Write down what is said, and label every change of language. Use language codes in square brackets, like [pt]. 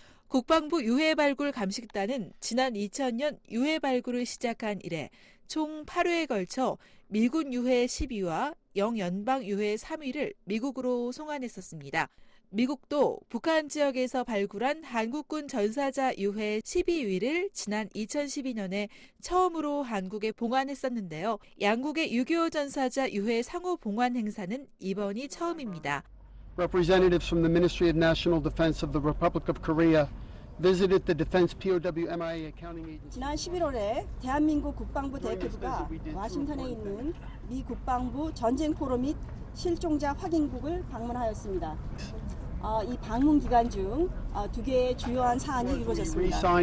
[ko] 국방부 유해 발굴 감식단은 지난 2000년 유해 발굴을 시작한 이래 총 8회에 걸쳐 미군 유해 10위와 영연방 유해 3위를 미국으로 송환했었습니다. 미국도 북한 지역에서 발굴한 한국군 전사자 유해 12위를 지난 2012년에 처음으로 한국에 봉환했었는데요. 양국의 6.25 전사자 유해 상호 봉환 행사는 이번이 처음입니다. [en] Representatives from the Ministry of National Defense of the Republic of Korea visited the Defense POW MIA Accounting Agency. [ko] 지난 11월에 대한민국 국방부 대표부가 워싱턴에 있는 미 국방부 전쟁포로 및 실종자 확인국을 방문하였습니다. 이 방문 기간 중 두 개의 주요한 사안이 이루어졌습니다.